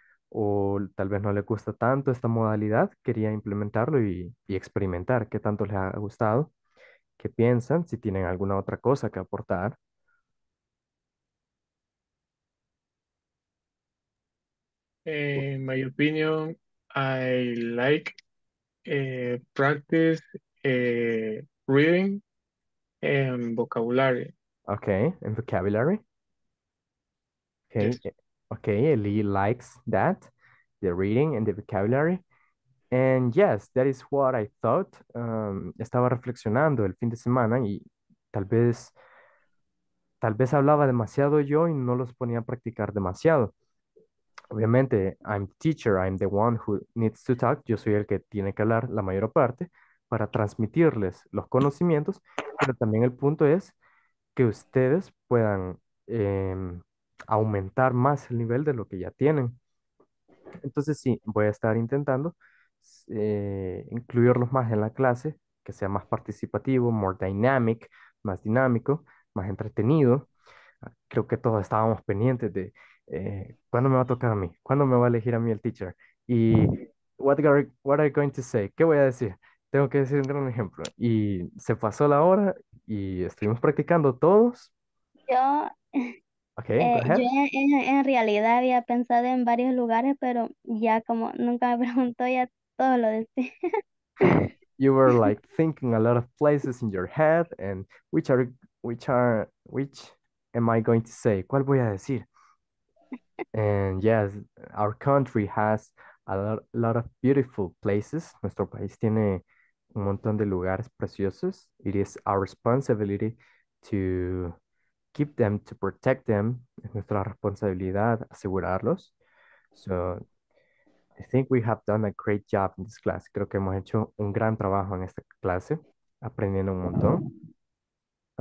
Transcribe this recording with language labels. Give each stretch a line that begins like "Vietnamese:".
Spanish: O tal vez no le gusta tanto esta modalidad, quería implementarlo y experimentar qué tanto les ha gustado, qué piensan, si tienen alguna otra cosa que aportar.
English: In my opinion, I like practice reading and vocabulary. Okay, and vocabulary. Okay, Yes. Lee likes that. The reading and the vocabulary. And yes, that is what I thought.
Spanish: Estaba reflexionando el fin de semana y tal vez hablaba demasiado yo y no los ponía a practicar demasiado.
English: Obviamente, I'm teacher, I'm the one who needs to talk.
Spanish: Yo soy el que tiene que hablar la mayor parte para transmitirles los conocimientos, pero también el punto es que ustedes puedan aumentar más el nivel de lo que ya tienen. Entonces sí, voy a estar intentando incluirlos más en la clase, que sea más participativo,
English: more dynamic,
Spanish: más dinámico, más entretenido. Creo que todos estábamos pendientes de cuándo me va a tocar a mí, cuándo me va a elegir a mí el teacher y
English: what are you going to say,
Spanish: qué voy a decir. Tengo que decir un gran ejemplo. Y se pasó la hora y estuvimos practicando todos.
English: Ok, go ahead.
Spanish: en realidad había pensado en varios lugares, pero ya como nunca me preguntó, ya todo lo decía.
English: You were like thinking a lot of places in your head and which am I going to say?
Spanish: ¿Cuál voy a decir?
English: And yes, our country has a lot of beautiful places.
Spanish: Nuestro país tiene un montón de lugares preciosos.
English: It is our responsibility to keep them, to protect them.
Spanish: Es nuestra responsabilidad asegurarlos.
English: So I think we have done a great job in this class.
Spanish: Creo que hemos hecho un gran trabajo en esta clase, aprendiendo un montón.